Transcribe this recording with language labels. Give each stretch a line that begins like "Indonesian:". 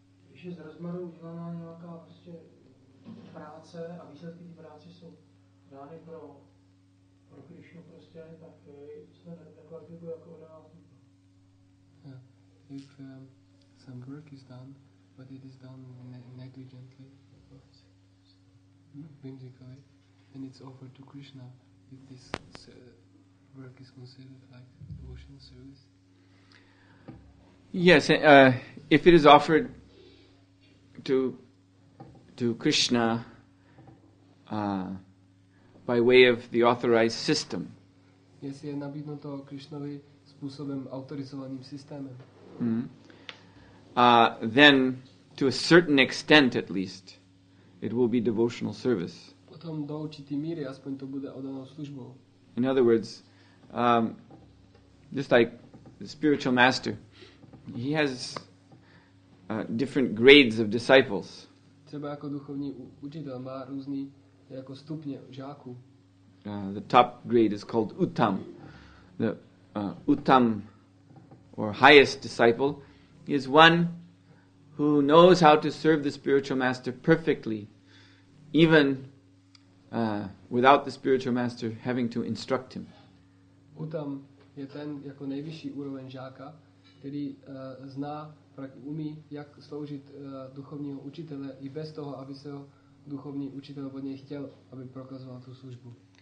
Czech: Když je z rozmaru udělaná nějaká prostě práce a výsledky té práce jsou dány pro Krišnu prostě, tak se neklasifikuje jako odhalatníka.
English: If some work is done, but it is done negligently, whimsically, and it's offered to Krishna, if this work is considered like devotional service? Yes, if it is offered to Krishna by way of the authorized system.
Czech: Jestli je nabídnuto Krishnovi způsobem autorizovaným systémem.
English: Then, to a certain extent at least, it will be devotional service.
Czech: Potom do určité míry, aspoň to bude oddanou službou.
English: In other words, just like the spiritual master, he has different grades of disciples.
Czech: Třeba jako duchovní učitel má různý jako stupně žáků.
English: The top grade is called Uttam. The Uttam or highest disciple is one who knows how to serve the spiritual master perfectly, even without the spiritual master having to instruct him.
Czech: Uttam je ten jako nejvyšší úroveň žáka, který zná, umí, jak sloužit duchovního učitele i bez toho, aby se ho duchovní učitel od něj chtěl, aby prokazoval tu službu.